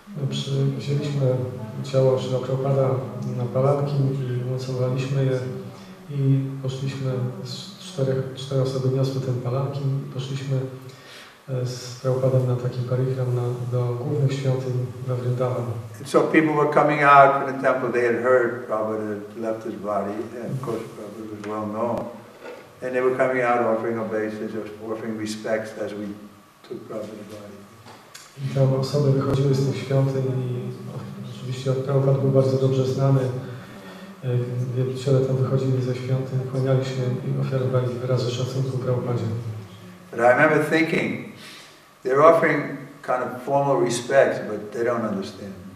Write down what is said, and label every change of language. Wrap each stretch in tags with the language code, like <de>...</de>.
<pl>Przywieźliśmy ciało Śrila Prabhupada na palanki i umocowaliśmy je i poszliśmy z 4 osoby niosły ten palanki i poszliśmy z Prabhupadem na taki parikram do głównych świątyń na Vrindavan.</pl> <en>So people were coming out from the temple, they had heard Prabhupada left his body, and of course Prabhupada was well known. And they were coming out offering obeisances, offering respects as we took Prabhupada's body.</en> <pl>I tam osoby wychodziły z tych świątyń i oczywiście Prabhupada był bardzo dobrze znany. Wielbiciele tam wychodzili ze świątyń, kłaniali się i ofiarowali wyrazy szacunku prawopadzie.</pl> <en>But I remember thinking, they're offering kind of formal respect, but they don't understand.</en>